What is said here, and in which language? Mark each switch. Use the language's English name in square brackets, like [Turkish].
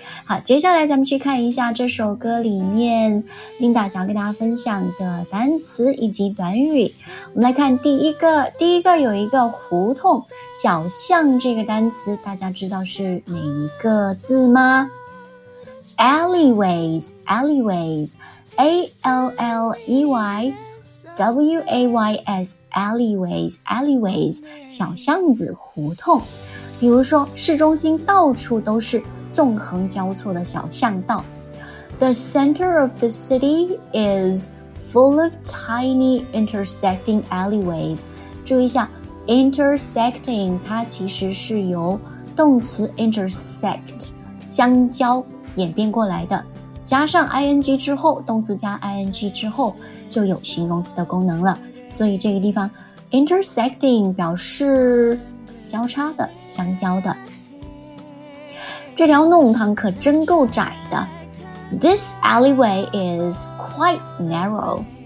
[Chinese] 好，接下来咱们去看一下这首歌里面 Linda 想要跟大家分享的单词以及短语。我们来看第一个有一个胡同小巷，这个单词大家知道是哪一个字吗？ [English] Alleyways A-L-L-E-Y-W-A-Y-S Alleyways [Chinese] 小巷子、胡同。比如说市中心到处都是纵横交错的小巷道。 [English] The center of the city is full of tiny intersecting alleyways。 [Chinese] 注意一下 intersecting， 它其实是由动词 intersect 相交演变过来的，加上 ing 之后，动词加 ing 之后就有形容词的功能了，所以这个地方 intersecting 表示交叉的、相交的。这条弄堂可真够窄的。 [English] This alleyway is quite narrow.